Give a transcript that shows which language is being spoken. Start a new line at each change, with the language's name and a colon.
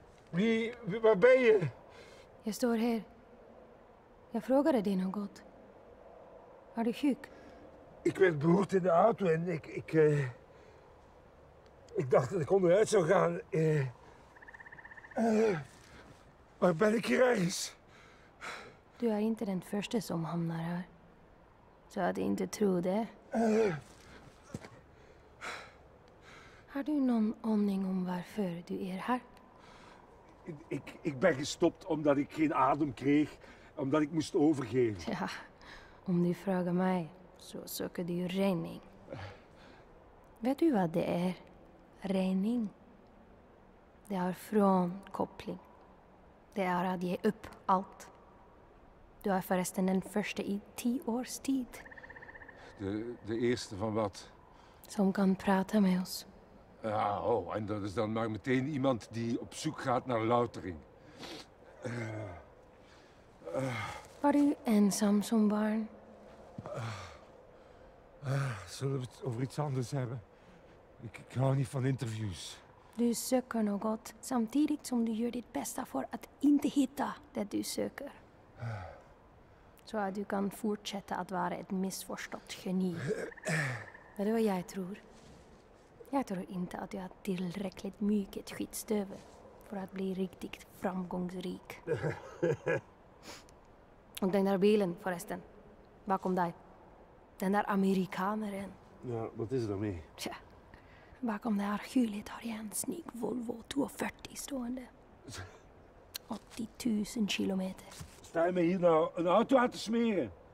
Dutch: Wie, waar ben je? Je stoor hier. Je vroeg er een ding God. Waar de huik? Ik werd beroerd in de auto en ik dacht dat ik onderuit zou gaan. Waar ben ik hier ergens?
Swedish: Du har inte den första som hamnar här. Så jag hade inte trott det. Har du någon aning om varför du är här?
Dutch: Ik ben gestopt omdat ik geen adem kreeg. Omdat ik moest overgeven.
Swedish: Ja, om du frågar mig så söker du rening. Vet du vad det är? Rening. Det är frånkoppling. Det är att ge upp allt. Du är förresten den första i 10 års tid.
Dutch: De eerste van wat?
Swedish: Som kan prata med oss.
Dutch: Ja, oh, en dat is dan maar meteen iemand die op zoek gaat naar loutering.
Swedish: Var du ensam som barn?
Dutch: Zullen we het over iets anders hebben? Ik hou niet van interviews.
Swedish: Du söker något samtidigt som du gör ditt bästa för att inte hitta det du söker. Så att du kan fortsätta att vara ett missförstått geni. Vet du vad jag tror? Jag tror inte att du har tillräckligt mycket skitstöve för att bli riktigt framgångsrik. Och den där bilen förresten, bakom dig. Den där amerikanaren. Ja, vad är det med? Tja, bakom det här hyllet har jag en snygg Volvo 240 stående. 80 000 kilometer.
Dutch: Sta je me hier nou een auto aan te smeren?